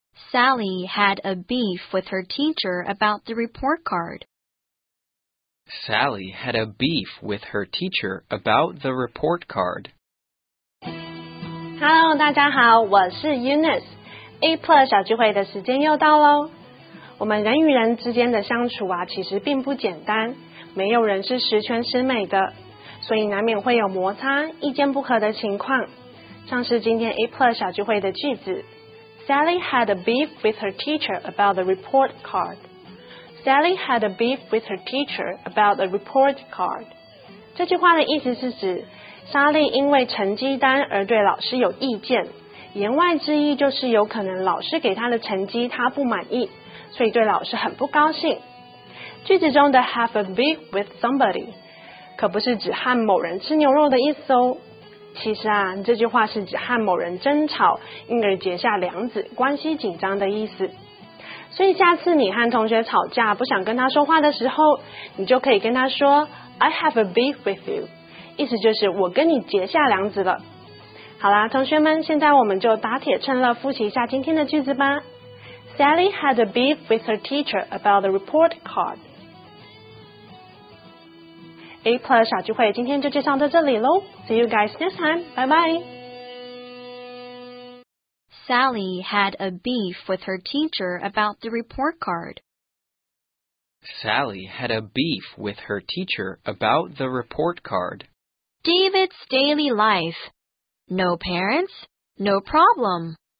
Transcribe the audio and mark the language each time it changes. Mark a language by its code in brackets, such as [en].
[en] Sally had a beef with her teacher about the report card. Sally had a beef with her teacher about the report card. [zh] Hello, 大家好，我是 Eunice。 A Plus 小聚会的时间又到咯。我们人与人之间的相处啊，其实并不简单，没有人是十全十美的。所以难免会有摩擦、意见不合的情况，像是今天 A Plus 小聚会的句子 ， [en] Sally had a beef with her teacher about the report card. Sally had a beef with her teacher about the report card. [zh] 这句话的意思是指，莎莉因为成绩单而对老师有意见，言外之意就是有可能老师给她的成绩她不满意，所以对老师很不高兴。句子中的 have a beef with somebody。可不是指和某人吃牛肉的意思哦。其实啊，这句话是指和某人争吵，因而结下梁子，关系紧张的意思。所以下次你和同学吵架不想跟他说话的时候，你就可以跟他说 [en] I have a beef with you， [zh] 意思就是我跟你结下梁子了。好啦，同学们，现在我们就打铁趁热复习一下今天的句子吧。 [en] Sally had a beef with her teacher about the report card。 [zh] A Plus 小聚会今天就介绍到这里咯。 [en] See you guys next time， [zh] 拜拜。 [en] Sally had a beef with her teacher about the report card. Sally had a beef with her teacher about the report card. David's daily life. No parents, no problem.